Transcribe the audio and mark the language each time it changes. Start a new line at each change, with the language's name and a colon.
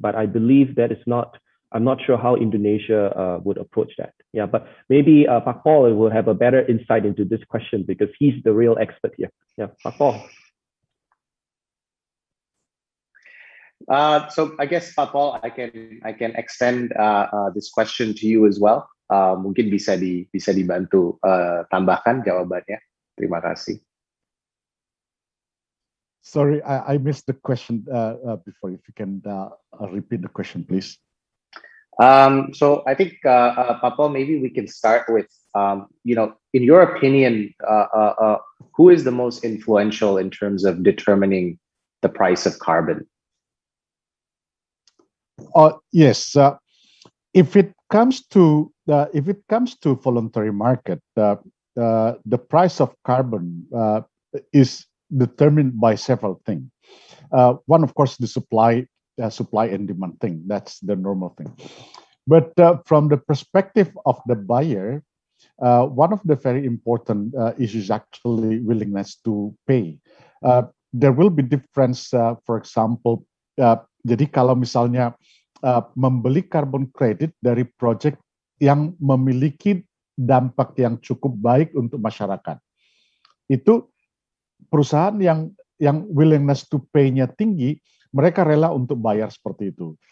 English: But I believe that is not, I'm not sure how Indonesia would approach that. Yeah, but maybe Pak Paul will have a better insight into this question because he's the real expert here. Yeah, Pak Paul. So I guess, Pak Paul, I can extend this question to you as well.
Indonesian: mungkin bisa dibantu tambahkan jawabannya. Terima kasih.
English: Sorry, I missed the question before. If you can repeat the question, please. So I think, Papa, maybe we can start with, you know, in your opinion, who is the most influential in terms of determining the price of carbon? Yes. If it comes to if it comes to voluntary market, the price of carbon is determined by several things. One, of course, the supply supply and demand thing. That's the normal thing. But from the perspective of the buyer, one of the very important issues actually willingness to pay. There will be difference. For example,
Indonesian: jadi kalau misalnya membeli carbon credit dari proyek yang memiliki dampak yang cukup baik untuk masyarakat, itu perusahaan yang willingness to pay-nya tinggi, mereka rela untuk bayar seperti itu.